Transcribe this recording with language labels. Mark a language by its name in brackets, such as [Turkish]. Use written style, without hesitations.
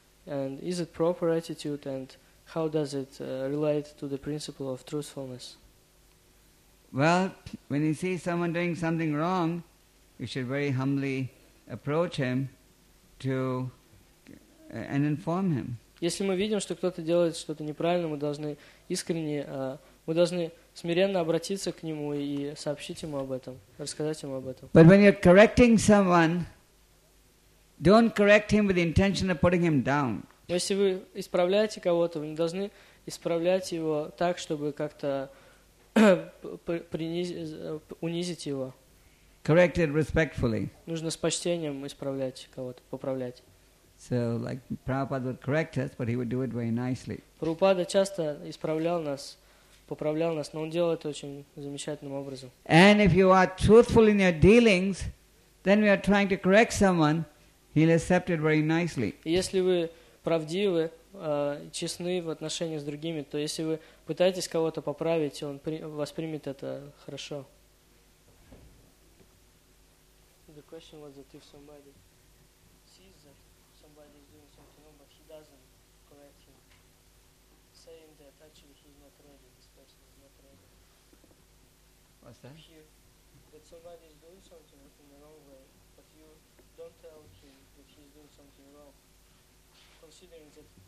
[English] And is it proper attitude? And how does it relate to the principle of truthfulness? Well, when you see someone doing something wrong, you should very humbly approach him and inform him. [Russian] Если мы видим, что кто-то делает что-то неправильно, мы должны искренне, мы должны смиренно обратиться к нему и сообщить ему об этом, рассказать ему об этом. [English] But when you're correcting someone, don't correct him with the intention of putting him down. [Russian] Если вы исправляете кого-то, вы не должны исправлять его так, чтобы как-то унизить его. [English] Correct it respectfully. [Russian] Нужно с почтением исправлять кого-то, поправлять. [English] So, like Prabhupada would correct us, but he would do it very nicely. [Russian] Прабхупада часто исправлял нас, поправлял нас, но он делал это очень замечательным образом. [English] And if you are truthful in your dealings, then we are trying to correct someone, he'll accept it very nicely. [Russian] Если вы правдивы, честны в отношении с другими, то если вы пытаетесь кого-то поправить, он воспримет это хорошо. [English] The question was that if somebody sees that somebody is doing something wrong, but he doesn't correct him, saying that actually he's not ready, this person is not ready. What's that? If you, that somebody is doing something in the wrong way, but you don't tell him that he's doing something wrong, considering that